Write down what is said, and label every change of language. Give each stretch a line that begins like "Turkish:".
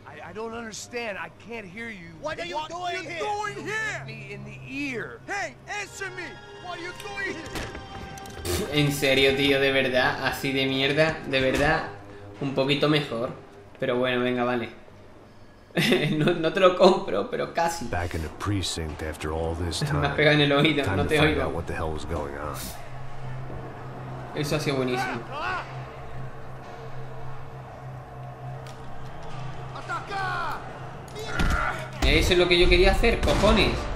English: I don't understand. I can't hear you. What are you doing here? What are you doing here? Hit me in the ear. Hey, answer me. What are you doing here?
Spanish: En serio, tío, de verdad, así de mierda, de verdad, un poquito mejor. Pero bueno, venga, vale. No te lo compro, pero casi.
English: Back in the precinct after all this time.
Spanish: Me ha pegado en el oído, no te oigo.
English: What the hell was going on.
Spanish: Eso ha sido buenísimo. Eso es lo que yo quería hacer, cojones.